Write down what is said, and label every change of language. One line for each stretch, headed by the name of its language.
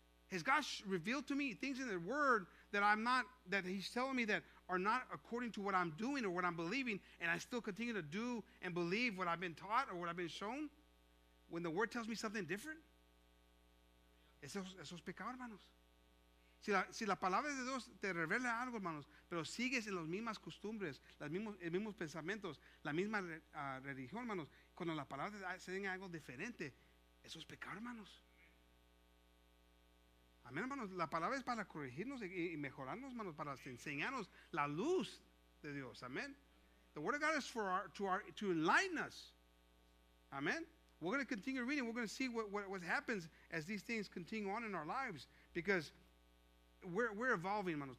English: Has God revealed to me things in the Word that he's telling me that are not according to what I'm doing or what I'm believing, and I still continue to do and believe what I've been taught or what I've been shown, when the Word tells me something different?
Spanish: Eso es pecado, hermanos. Si la palabra de Dios te revela algo, hermanos, pero sigues en las mismas costumbres, los mismos pensamientos, la misma religión, hermanos, cuando la palabra se diga algo diferente, eso es pecado, hermanos. Amén, hermanos, la palabra es para corregirnos y mejorarnos, hermanos, para enseñarnos la luz de Dios. Amén.
English: The word of God is to enlighten us. Amén. We're going to continue reading. We're going to see what happens as these things continue on in our lives, because we're evolving,
Spanish: hermanos.